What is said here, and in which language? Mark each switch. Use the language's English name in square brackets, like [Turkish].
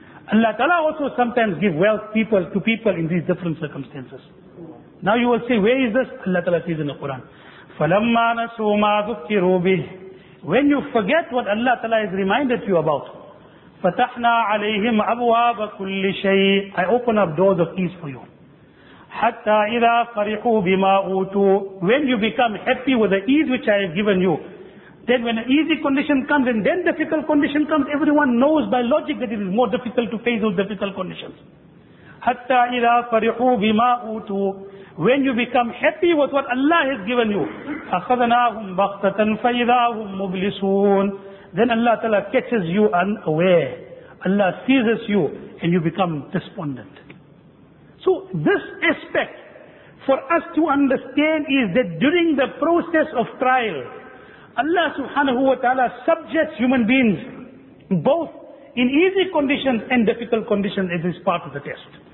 [English] Allah Ta'ala also sometimes give wealth people to people in these different circumstances. Now you will say, where is this? Allah Ta'ala says in the Quran, [Arabic] فَلَمَّا نَسُوا مَا ذُكِّرُوا بِهِ. [English] When you forget what Allah Ta'ala has reminded you about, [Arabic] فَتَحْنَا عَلَيْهِمْ أَبْوَابَ كُلِّ شَيْءٍ. [English] I open up doors of ease for you. [Arabic] Hatta إِذَا فَرِحُوا بِمَا أُوتُوا. [English] When you become happy with the ease which I have given you, then when an easy condition comes and then difficult condition comes, everyone knows by logic that it is more difficult to face those difficult conditions. [Arabic] Hatta إِذَا فَرِحُوا بِمَا أُوتُوا. [English] When you become happy with what Allah has given you, [Arabic] أَخَذَنَاهُمْ بَغْتَةً فَإِذَا هُمْ مُبْلِسُونَ. [English] Then Allah Ta'ala catches you unaware. Allah seizes you and you become despondent. So this aspect for us to understand is that during the process of trial, Allah subhanahu wa ta'ala subjects human beings both in easy conditions and difficult conditions as is part of the test.